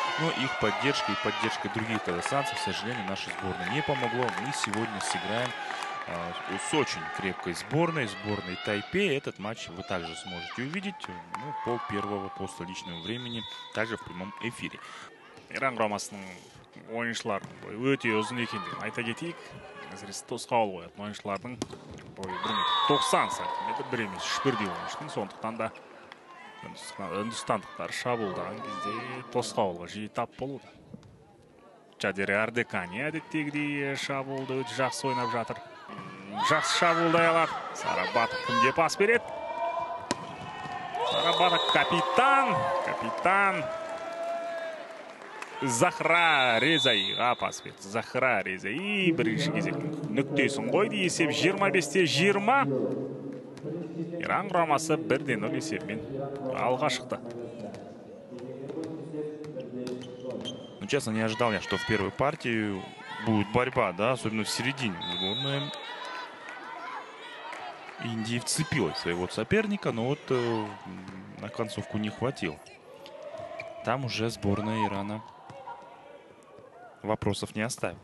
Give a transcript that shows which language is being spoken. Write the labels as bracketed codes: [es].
[ru] Но их поддержка и поддержка других казахстанцев, к сожалению, нашей сборной не помогло. Мы сегодня сыграем с очень крепкой сборной, сборной Тайпей. Этот матч вы также сможете увидеть, ну, по первого, по столичному времени, также в прямом эфире. [kk] Иран құрамасының ойыншылары өте ұзын екен деп айта кетейік. Әсіресе тосқауыл қоятын ойыншылардың бойы 1.90 сантиметр, 1.1 ойыншының. Сондықтан да үндістандықтар шабуылдаған кезде тосқауылға жиі тап болуда. Чадири Ардекани әдеттегідей шабуылды өте жақсы ойнап жатыр. Жақсы шабуылдай алады. Сара Батов кімге пас береді? Сара Батов капитан Захра Резай. Пас береді. Захра Резай. Бірінші кезек нүктесін қойды. Есеп 25-20. Иран құрамасы 1-0 есебімен алға шықты. [ru] Честно, не ожидал я, что в первой партии будет борьба, да, особенно в середине сборная Индии вцепилась своего соперника, но вот на концовку не хватил. Там уже сборная Ирана вопросов не оставил.